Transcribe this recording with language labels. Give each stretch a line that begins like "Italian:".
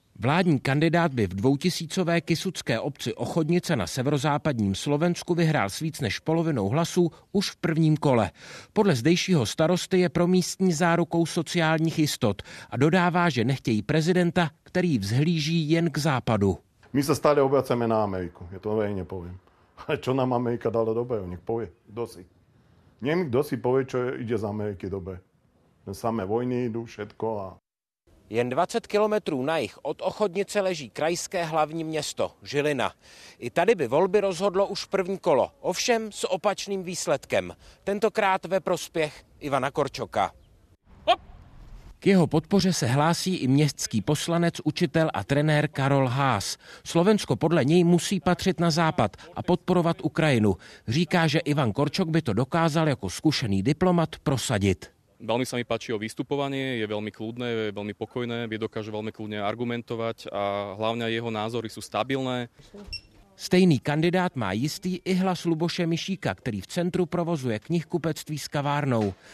Czech: Vládní kandidát by v 2000. kysucké obci Ochodnice na severozápadním Slovensku vyhrál s víc než polovinou hlasů už v prvním kole. Podle zdejšího starosty je pro místní zárukou sociálních jistot a dodává, že nechtějí prezidenta, který vzhlíží jen k západu.
Slovak: My se stále obraceme na Ameriku, je to veľmi nepoviem. Ale čo nám Amerika dala dobre, nech povie, kdo si. Nech kdo si povie, čo ide z Ameriky dobre. Samé vojny idú, všetko a...
Czech: Jen 20 kilometrů na jih od Ochodnice leží krajské hlavní město, Žilina. I tady by volby rozhodlo už první kolo, ovšem s opačným výsledkem. Tentokrát ve prospěch Ivana Korčoka. K jeho podpoře se hlásí i městský poslanec, učitel a trenér Karol Haas. Slovensko podle něj musí patřit na západ a podporovat Ukrajinu. Říká, že Ivan Korčok by to dokázal jako zkušený diplomat prosadit.
Slovak: Veľmi sa mi páči o vystupovanie, je veľmi kľudné, je veľmi pokojné, vie dokáže veľmi kľudne argumentovať a hlavne jeho názory sú stabilné.
Czech: Stejný kandidát má jistý i hlas Luboše Mišíka, ktorý v centru provozuje knihkupectví s kavárnou.